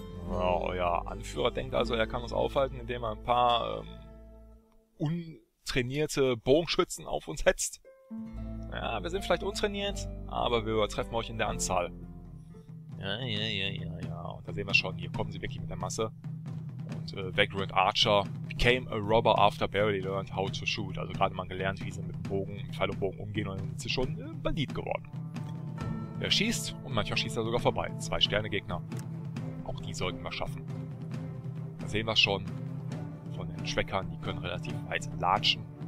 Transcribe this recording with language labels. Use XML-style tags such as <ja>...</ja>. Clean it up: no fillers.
<de>Ja, euer Anführer denkt also, er kann uns aufhalten, indem er ein paar untrainierte Bogenschützen auf uns hetzt. Ja, wir sind vielleicht untrainiert, aber wir übertreffen euch in der Anzahl. Ja. Und da sehen wir schon, hier kommen sie wirklich mit der Masse.</de> <en>Und Vagrant Archer became a robber after barely learned how to shoot.</en> <de>Also gerade mal gelernt, wie sie mit Bogen, mit Pfeil und Bogen umgehen, und dann sind sie schon ein Bandit geworden. Er schießt und manchmal schießt er sogar vorbei. 2-Sterne-Gegner. Auch die sollten wir schaffen. Da sehen wir schon von den Trackern, die können relativ weit latschen.</de>